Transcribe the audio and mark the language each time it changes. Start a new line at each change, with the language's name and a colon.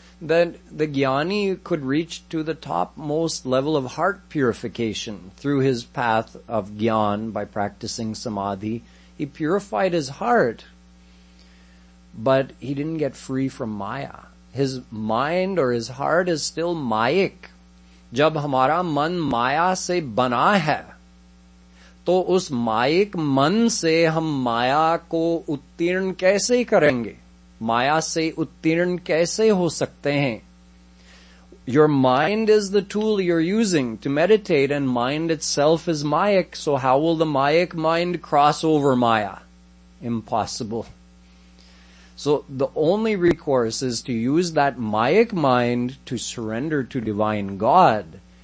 English: that the jnani could reach to the topmost level of heart purification through his path of jnana by practicing samadhi. He purified his heart, but he didn't get free from maya. His mind or his heart is still mayik.
Hindi: जब हमारा मन माया से बना है, तो उस mic मन से हम माया को उत्तीर्ण कैसे करेंगे? माया से उत्तीर्ण कैसे हो सकते हैं?
English: Your mind is the tool you're using to meditate, and mind itself is mayik, so how will the mayik mind cross over maya? Impossible. So the only recourse is to use that mayik mind to surrender to divine God.